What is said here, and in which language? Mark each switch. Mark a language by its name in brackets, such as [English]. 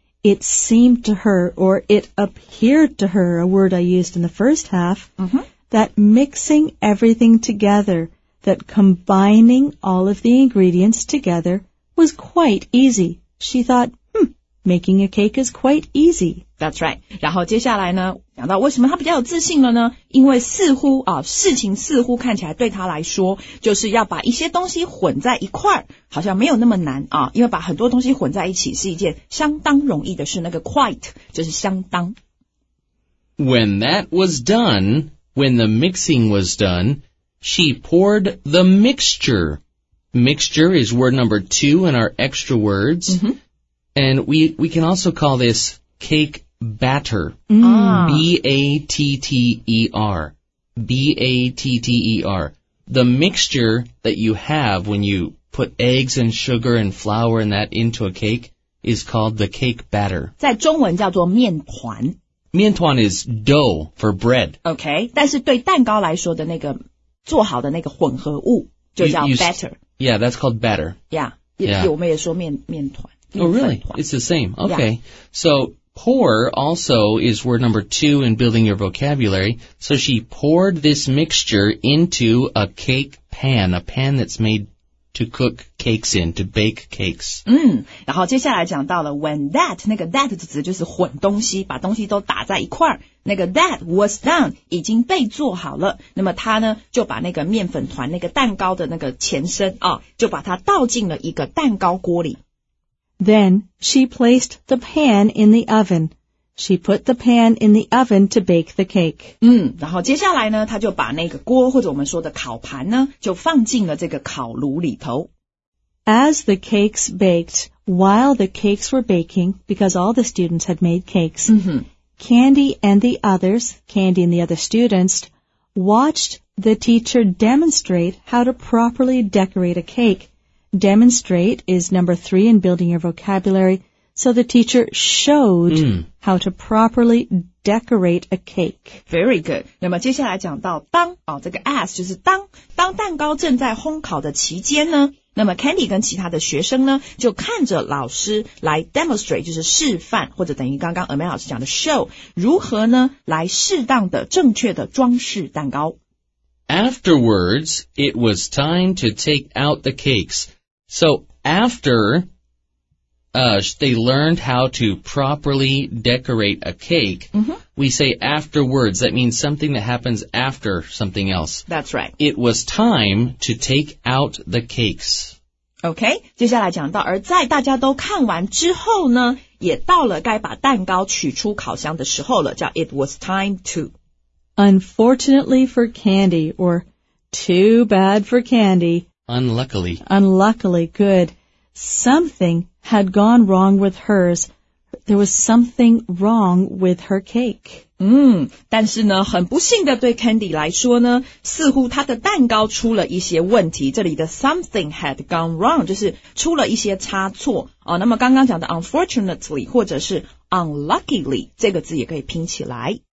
[English] It seemed to her, or it appeared to her, a word I used in the first half, that mixing everything together, that combining all of the ingredients together, was quite easy. She thought, making a cake is quite easy. That's right. [Chinese] 然后接下来呢，讲到为什么他比较有自信了呢？因为似乎啊，事情似乎看起来对他来说，就是要把一些东西混在一块儿，好像没有那么难啊。因为把很多东西混在一起是一件相当容易的事。那个 quite 就是相当。 [English] When that was done, when the mixing was done, she poured the mixture. Mixture is word number two in our extra words,and we can also call this. Cake batter, B-A-T-T-E-R, B-A-T-T-E-R. The mixture that you have when you put eggs and sugar and flour and that into a cake is called the cake batter. [Chinese] 在中文叫做面团。 [English] 面团 is dough for bread. [Chinese] Okay, 但是对蛋糕来说的那个做好的那个混合物就叫 batter. [English] Yeah, that's called batter. [Chinese] Yeah, 我们也说面团。 [English] Oh, really? It's the same. Okay. Yeah. So, pour also is word number two in building your vocabulary. So, she poured this mixture into a cake pan, a pan that's made to cook cakes in, to bake cakes. [Chinese] 然后接下来讲到了 [English] when that, [Chinese] 那个 that 的词就是混东西，把东西都打在一块儿。那个 [English] that was done, [Chinese] 已经被做好了。那么他呢就把那个面粉团那个蛋糕的那个前身就把它倒进了一个蛋糕锅里。 [English] Then she placed the pan in the oven. She put the pan in the oven to bake the cake. [Chinese] 然后接下来呢，她就把那个锅或者我们说的烤盘呢，就放进了这个烤炉里头。 [English] As the cakes baked, while the cakes were baking, because all the students had made cakes, Candy and the others, Candy and the other students, watched the teacher demonstrate how to properly decorate a cake. Demonstrate is number three in building your vocabulary, so the teacher showed how to properly decorate a cake. Very good. [Chinese] 那么接下来讲到当这个 as 就是当蛋糕正在烘烤的期间呢，那么 Candy 跟其他的学生呢就看着老师来 demonstrate 就是示范或者等于刚刚 Amel 老师讲的 show 如何呢来适当的正确的装饰蛋糕。 [English] Afterwards, it was time to take out the cakes. So after, they learned how to properly decorate a cake, we say afterwards. That means something that happens after something else. That's right. It was time to take out the cakes. [Chinese] Okay, 接下来讲到，而在大家都看完之后呢，也到了该把蛋糕取出烤箱的时候了，叫 [English] it was time to. Unfortunately for candy, or too bad for candy. Unluckily. Unluckily, good. Something had gone wrong with hers. There was something wrong with her cake. [Chinese] 但是呢，很不幸的对 Candy 来说呢，似乎她的蛋糕出了一些问题。这里的 [English] something had gone wrong, [Chinese] 就是出了一些差错。那么刚刚讲的 unfortunately, 或者是 unluckily, 这个字也可以拼起来。